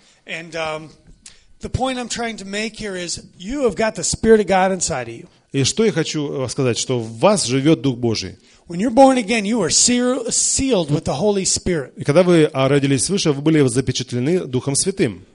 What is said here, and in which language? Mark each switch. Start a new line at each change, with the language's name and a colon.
English: And the point I'm trying to make here is, you have got the Spirit of God inside of you.
Russian: И что я хочу сказать, что в вас живет Дух Божий.
English: When you're born again, you are sealed with the Holy Spirit.
Russian: И когда вы родились свыше, вы были запечатлены Духом Святым.